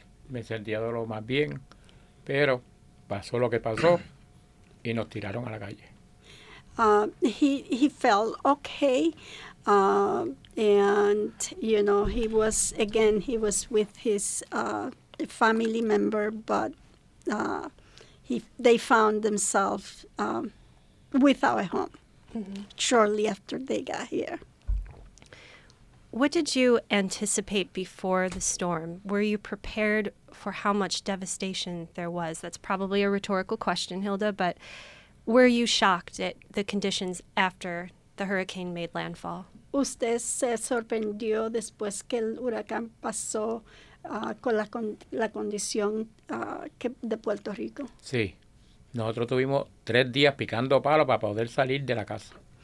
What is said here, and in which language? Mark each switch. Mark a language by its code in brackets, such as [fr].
[es] Me sentía de lo más bien, pero pasó lo que pasó y nos tiraron a la calle. [en] He felt okay. And, you know, he was with his family member, but they found themselves without a home shortly after they got here. What did you anticipate before the storm? Were you prepared for how much devastation there was? That's probably a rhetorical question, Hilda, but were you shocked at the conditions after the hurricane made landfall? [es] ¿Usted se sorprendió después que el huracán pasó con la condición de Puerto Rico? Sí. Nosotros tuvimos 3 días picando palo para poder salir de la casa.